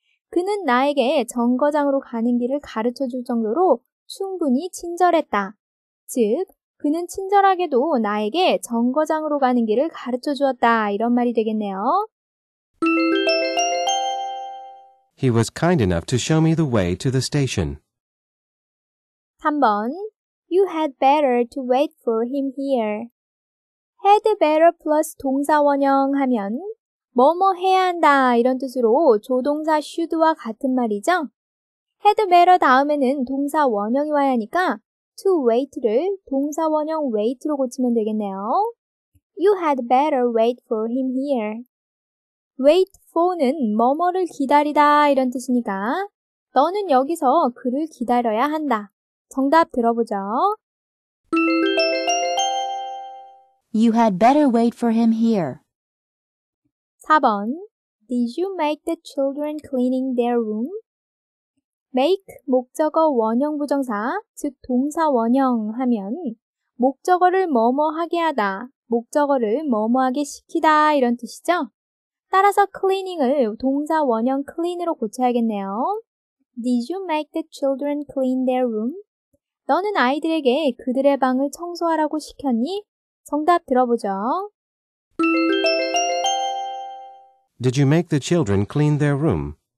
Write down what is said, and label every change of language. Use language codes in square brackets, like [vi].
[ko] 그는 나에게 정거장으로 가는 길을 가르쳐 줄 정도로 충분히 친절했다. 즉, 그는 친절하게도 나에게 정거장으로 가는 길을 가르쳐 주었다. 이런 말이 되겠네요. [en] He was kind enough to show me the way to the station. [ko] 3번. [en] You had better to wait for him here. [ko] Had better plus 동사 원형 하면 뭐뭐 해야 한다 이런 뜻으로 조동사 should와 같은 말이죠. Had better 다음에는 동사 원형이 와야 하니까 to wait를 동사 원형 wait로 고치면 되겠네요. [en] You had better wait for him here. [ko] Wait for는 뭐뭐를 기다리다 이런 뜻이니까 너는 여기서 그를 기다려야 한다. 정답 들어보죠. [en] You had better wait for him here. [ko] 4번. [en] Did you make the children cleaning their room? [ko] Make 목적어 원형 부정사, 즉 동사 원형 하면 목적어를 뭐뭐하게 하다, 목적어를 뭐뭐하게 시키다 이런 뜻이죠. 따라서 cleaning을 동사 원형 clean으로 고쳐야겠네요. [en] Did you make the children clean their room? [ko] 너는 아이들에게 그들의 방을 청소하라고 시켰니? 정답 들어보죠. [en] Did you make the children clean their room?